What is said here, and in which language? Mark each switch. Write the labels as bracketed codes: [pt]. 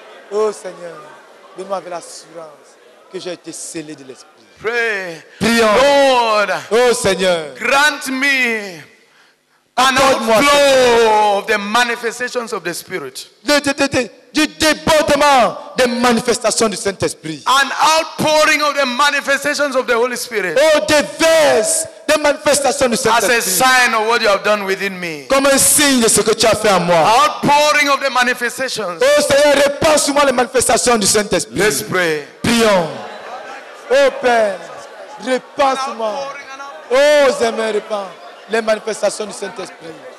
[fr] Oh Seigneur, donne-moi avec l'assurance que j'ai été scellé de l'Esprit. [en] Pray. [fr] Prions. [en] Lord, [fr] oh Seigneur, [en] grant me an outflow of the manifestations of the Spirit. [fr] Du débordement des manifestations du Saint-Esprit. [en] An outpouring of the manifestations of the Holy Spirit. [fr] Oh, déverse des manifestations du Saint-Esprit. [en] As a sign of what you have done within me. [fr] Comme un signe de ce que tu as fait en moi. [en] Outpouring of the manifestations. [fr] Oh, Seigneur, répands sur moi les manifestations du Saint-Esprit. [en] Let's pray. [fr] Prions. Oh, Père, répands sur moi. Oh, Zemmer, répands les manifestations du Saint-Esprit.